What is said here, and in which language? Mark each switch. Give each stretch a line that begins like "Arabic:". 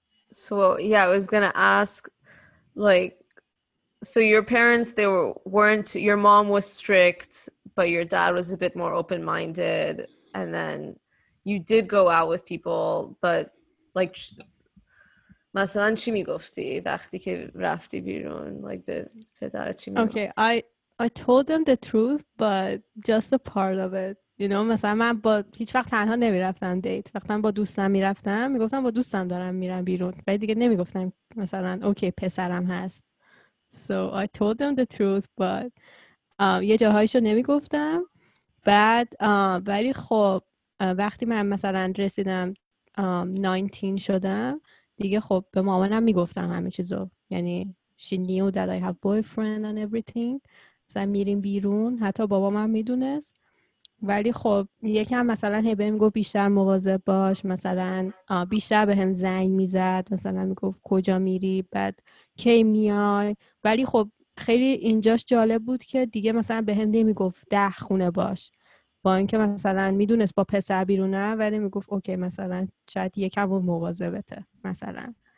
English: So yeah, I was gonna ask, like, so your parents, they weren't, your mom was strict, but your dad was a bit more open-minded, and then you did go out with people, but like,
Persian: مثلاً چی میگفتی وقتی که رفتی بیرون
English: like
Persian: به پدرت چی میگفتی؟
English: Okay, I told them the truth, but just a part of it.
Persian: You know, مثلا من با هیچ وقت تنها نمیرفتم دیت. وقتی من با دوستم میرفتم میگفتم با دوستم دارم میرم بیرون. و دیگه نمیگفتم مثلا اوکی پسرم هست.
English: So I told them the truth, but
Persian: یه جاهایشو نمیگفتم. بعد ولی خب وقتی من مثلا رسیدم 19 شدم دیگه خب به مامانم میگفتم همه چیزو.
English: یعنی she knew that I have boyfriend and everything.
Persian: مثلا میریم بیرون. حتی بابام هم میدونست. ولی خب یکم مثلا هی بهم گفت بیشتر مواظب باش، مثلا بیشتر به هم زنگ میزد، مثلا میگفت کجا میری، بعد کی میای. ولی خب خیلی اینجاش جالب بود که دیگه مثلا به هم نمیگفت ده خونه باش، با اینکه مثلا میدونست با پسر بیرونه، ولی میگفت اوکی مثلا شاید یکم بود مواظبته مثلا.